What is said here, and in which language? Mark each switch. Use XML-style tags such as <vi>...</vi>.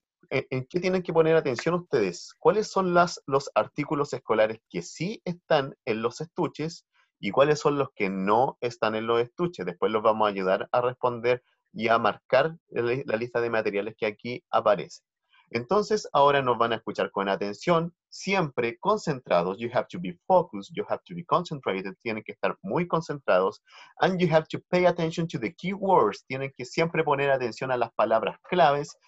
<es>¿En qué tienen que poner atención ustedes? ¿Cuáles son los artículos escolares que sí están en los estuches y cuáles son los que no están en los estuches? Después los vamos a ayudar a responder y a marcar la lista de materiales que aquí aparece. Entonces, ahora nos van a escuchar con atención, siempre concentrados.</es> <en>You have to be focused, you have to be concentrated.</en> <es>Tienen que estar muy concentrados.</es> <en>And you have to pay attention to the keywords.</en> <es>Tienen que siempre poner atención a las palabras claves.</es>